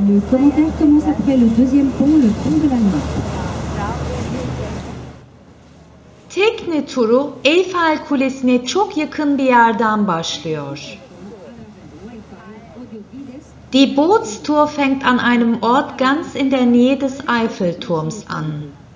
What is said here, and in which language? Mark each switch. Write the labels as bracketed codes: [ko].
[fr] pont exactement s'appelle le deuxième pont, le pont de l'Allemagne. [tr] Tekne turu Eiffel Kulesi'ne çok yakın bir yerden başlıyor. [de] Die Bootstour fängt an einem Ort ganz in der Nähe des Eiffelturms an.